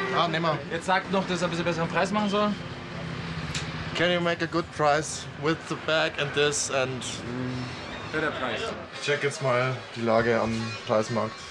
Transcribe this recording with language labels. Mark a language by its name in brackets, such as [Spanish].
[German] nehmen wir. Jetzt sagt noch, dass er ein bisschen besseren Preis machen soll. [English] Can you make a good price with the bag and this and... [German] Better Preis. Ich check jetzt mal die Lage am Preismarkt.